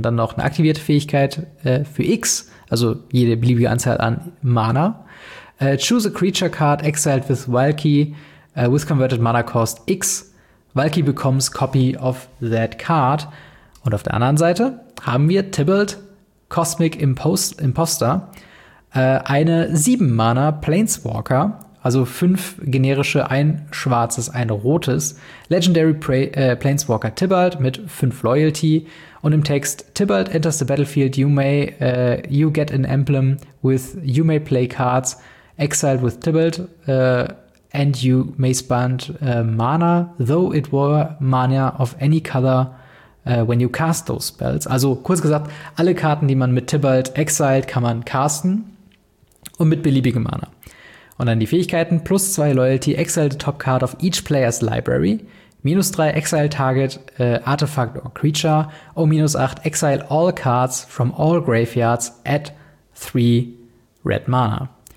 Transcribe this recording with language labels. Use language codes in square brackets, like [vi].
[de] Und dann noch eine aktivierte Fähigkeit für X, also jede beliebige Anzahl an Mana. [en] Choose a creature card exiled with Valky with converted mana cost X. Valky becomes copy of that card. [de] Und auf der anderen Seite haben wir Tybalt, Cosmic Imposter, eine 7-Mana Planeswalker, also 5 generische, ein schwarzes, ein rotes, Legendary Planeswalker Tybalt mit 5 Loyalty. Und im Text, [en] Tybalt enters the battlefield, you get an emblem with you may play cards exiled with Tybalt, and you may spend mana, though it were mana of any color when you cast those spells. [de] Also kurz gesagt, alle Karten, die man mit Tybalt exiled, kann man casten und mit beliebigem Mana. Und dann die Fähigkeiten, [en] plus 2 Loyalty, exile the top card of each player's library, minus 3 exile target, artifact or creature, or minus 8 exile all cards from all graveyards at 3 red mana.